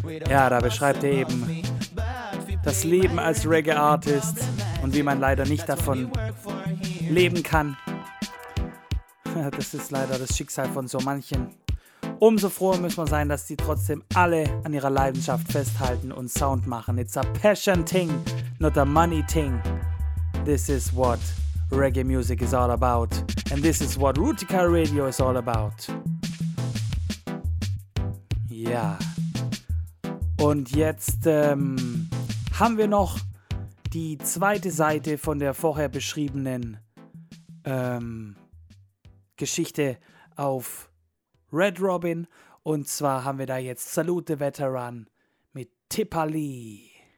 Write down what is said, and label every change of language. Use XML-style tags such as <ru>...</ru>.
<de>Ja, da beschreibt er eben das Leben als Reggae Artist und wie man leider nicht davon leben kann. Das ist leider das Schicksal von so manchen. Umso froher müssen wir sein, dass die trotzdem alle an ihrer Leidenschaft festhalten und Sound machen.</de> <en>It's a passion thing, not a money thing. This is what reggae music is all about. And this is what Rootikal Radio is all about.</en> <de>Ja. Und jetzt haben wir noch die zweite Seite von der vorher beschriebenen Geschichte auf Red Robin, und zwar haben wir da jetzt Salute the Veteran mit Tipper Lee.</de>